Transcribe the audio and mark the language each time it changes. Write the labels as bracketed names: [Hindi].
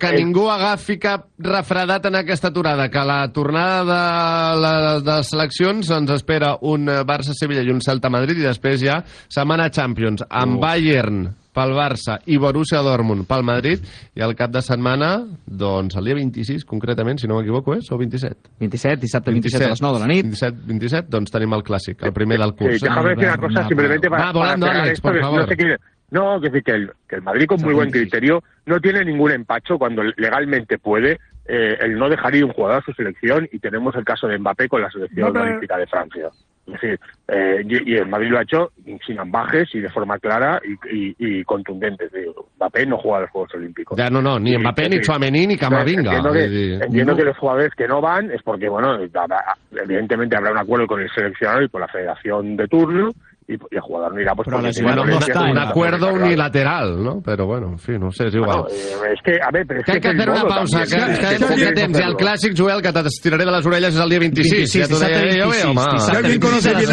[Catalan] Que ningú agafi cap refredat en aquesta aturada, que la tornada de seleccions ens espera un Barça-Sevilla i un Celta-Madrid, i després ja setmana Champions, amb Bayern pel Barça i Borussia Dortmund pel Madrid, i al cap de setmana, doncs el dia 26 concretament, si no m'equivoco, és o 27? 27, dissabte 27 a les 9 de la nit. 27, doncs tenim el clàssic, el primer del curs. [Spanish] Sí, déjame decir una cosa, simplemente que el Madrid, con muy buen criterio, no tiene ningún empacho cuando legalmente puede el no dejar ir un jugador a su selección, y tenemos el caso de Mbappé con la selección olímpica de Francia. Es decir, y el Madrid lo ha hecho sin ambages y de forma clara y contundente. Mbappé no juega a los Juegos Olímpicos. Ya, no, ni Mbappé, ni Tchouaméni, ni Camavinga. Entiendo que los jugadores que no van es porque, bueno, evidentemente habrá un acuerdo con el seleccionador y con la federación de turno, y el jugador no irá. Pues, un acuerdo unilateral, ¿no? Pero bueno, en fin, no sé, es igual. Hay que hacer una pausa. [Catalan] El clàssic, Joel, que te tiraré de les orelles, és el dia 26. [Spanish] Si alguien conoce bien a Mbappé, soy yo.